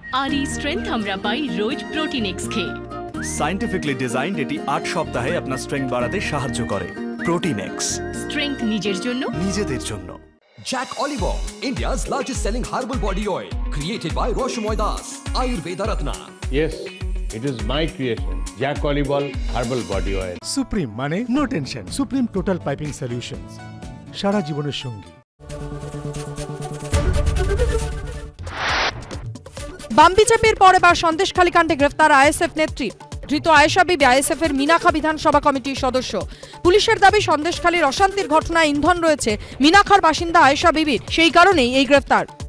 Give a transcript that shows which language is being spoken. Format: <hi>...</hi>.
<bn>আর এই স্ট্রেংথ আমরা পাই রোজ protein x খেয়ে।</bn> <en>Scientifically designed,</en> <bn>এটি 8 সপ্তাহে আপনার স্ট্রেংথ বাড়াতে সাহায্য করে। প্রোটিন এক্স, স্ট্রেংথ নিজের জন্য, নিজেদের জন্য।</bn> <en>Jack Oliver, India's largest selling herbal body oil, created by Rasamoy Das, Ayurveda Ratna. Yes, it is my creation, Jack Olival Herbal Body Oil. Supreme মানে no tension, Supreme Total Piping Solutions,</en> <bn>সারা জীবনের সঙ্গী। বামবিজেপির পর এবার সন্দেশখালি কাণ্ডে গ্রেফতার আইএসএফ নেত্রী। ধৃত আয়েশা বিবি আইএসএফ এর মিনাখা বিধানসভা কমিটির সদস্য। পুলিশের দাবি সন্দেশখালীর অশান্তির ঘটনায় ইন্ধন রয়েছে মিনাখার বাসিন্দা আয়েশা বিবির, সেই কারণেই এই গ্রেফতার।</bn>